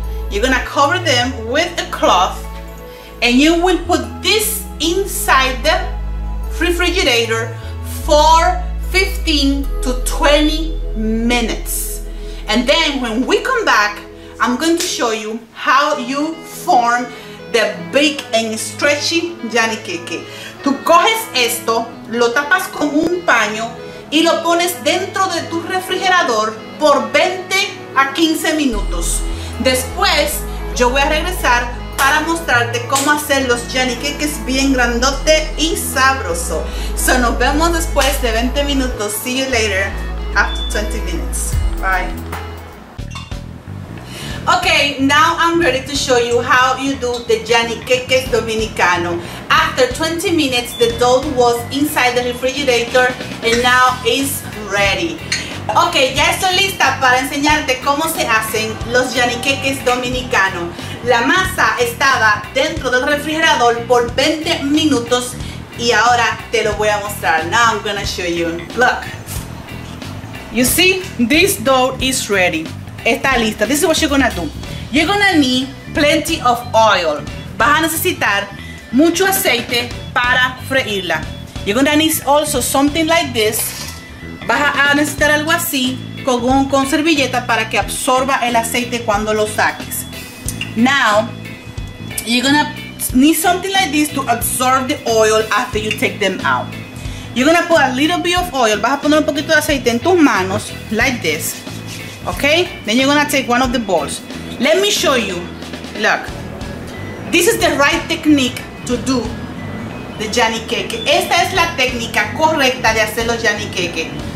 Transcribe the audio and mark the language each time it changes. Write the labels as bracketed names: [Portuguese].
[English] You're gonna cover them with a cloth and you will put this inside the refrigerator for 15 to 20 minutes. And then when we come back, I'm going to show you how you form the big and stretchy YANiiiKEKE. [Spanish] Tú coges esto, lo tapas con un paño y lo pones dentro de tu refrigerador por 20 a 15 minutos. Después, yo voy a regresar para mostrarte cómo hacer los YANiiiKEKES bien grandote y sabroso. [English] So, [Spanish] nos vemos después de 20 minutos. [English] See you later after 20 minutes. Bye. Okay, now I'm ready to show you how you do the YANiiiKEKES Dominicano. After 20 minutes, the dough was inside the refrigerator and now it's ready. [Spanish] Ok, ya estoy lista para enseñarte cómo se hacen los YANiiiKEKES Dominicanos. La masa estaba dentro del refrigerador por 20 minutos y ahora te lo voy a mostrar. [English] Now I'm gonna show you. Look. You see, this dough is ready. [Spanish] Está lista. [English] This is what you're gonna do. You're gonna need plenty of oil. [Spanish] Vas a necesitar mucho aceite para freírla. [English] You're gonna need also something like this. [Spanish] Vas a necesitar algo así con servilleta para que absorba el aceite cuando lo saques. [English] Now, you're gonna need something like this to absorb the oil after you take them out. You're gonna put a little bit of oil. [Spanish] Vas a poner un poquito de aceite en tus manos, [English] like this. Okay? Then you're gonna take one of the bowls. Let me show you. Look. This is the right technique to do the YANiiiKEKE. [Spanish] Esta es la técnica correcta de hacer los YANiiiKEKE.